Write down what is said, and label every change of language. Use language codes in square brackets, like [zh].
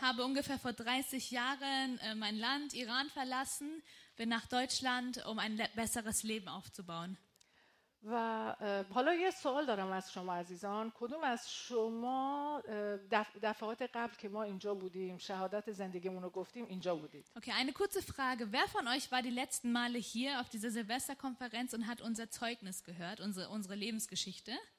[de] Auch ich habe ungefähr vor 30 Jahren mein Land Iran verlassen, bin nach Deutschland, um ein besseres Leben aufzubauen. [fa] و حالا یه سوال دارم از شما عزیزان. کدوم از شما دفعات قبل که ما اینجا بودیم، شهادت زندگیمون رو گفتیم، اینجا بودید؟ [de] Okay, eine kurze Frage. Wer von euch war die letzten Male hier auf dieser Silvesterkonferenz und hat unser Zeugnis gehört, unsere Lebensgeschichte?